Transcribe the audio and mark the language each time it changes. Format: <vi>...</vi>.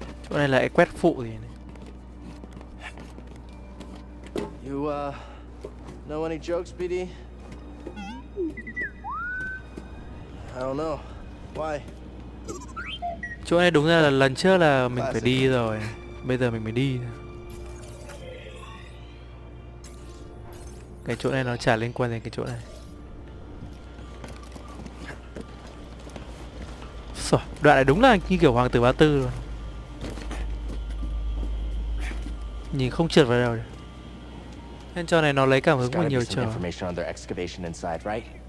<vi>Chỗ này lại quét phụ gì này.</vi> <en>You know any jokes, BD? I don't know. Why?</en> <vi>Chỗ này đúng ra là lần trước là mình phải đi rồi. Bây giờ mình mới đi. Cái chỗ này nó chả liên quan đến cái chỗ này. Rồi, đoạn này đúng là như kiểu Hoàng tử Ba Tư luôn. Nhìn không trượt vào đâu. Nên cho này nó lấy cảm hứng của nhiều trò.</vi> <en>Information on their excavation inside, right?</en>